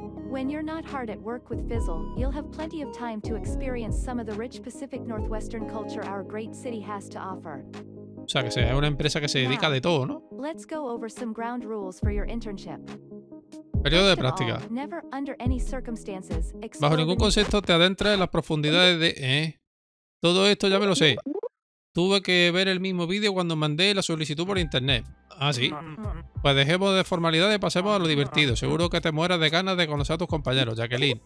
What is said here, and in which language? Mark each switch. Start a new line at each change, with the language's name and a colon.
English: When you're not hard at work with Fizzle, you'll have plenty of time to experience some of the rich Pacific Northwestern culture our great city has to offer.
Spanish: O sea, que sea una empresa que se dedica de todo, ¿no?
English: Let's go over some ground rules for your internship.
Spanish: Periodo de práctica.
English: Never under any circumstances.
Spanish: Bajo ningún concepto te adentras en las profundidades de... Todo esto ya me lo sé. Tuve que ver el mismo vídeo cuando mandé la solicitud por internet. Ah, sí. Pues dejemos de formalidad y pasemos a lo divertido. Seguro que te mueras de ganas de conocer a tus compañeros, Jacqueline.